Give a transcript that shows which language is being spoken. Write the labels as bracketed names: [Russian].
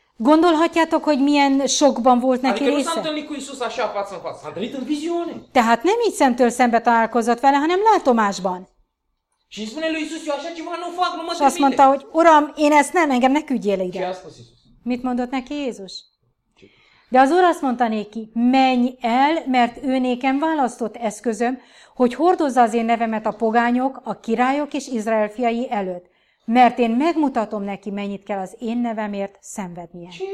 [Hungarian] Gondolhatjátok, hogy milyen sokban volt neki része? [Romanian] Adică nu s-a întâlnit cu Iisus așa față în față, s-a întâlnit în viziune. [Hungarian] Tehát nem így szemtől szembe találkozott vele, hanem látomásban. [Romanian] Și îi spune lui Iisus, eu așa ceva nu fac, nu mă trimite. Și [Hungarian] azt mondta, hogy uram, én ezt nem, engem ne küldjél ide. [Romanian] Ce a spus Iisus? [Hungarian] Mit mondott neki Jézus? De az Úr azt mondta neki, menj el, mert ő nékem választott eszközöm, hogy hordozza az én nevemet a pogányok, a királyok és Izrael fiai előtt. Mert én megmutatom neki, mennyit kell az én nevemért szenvednie.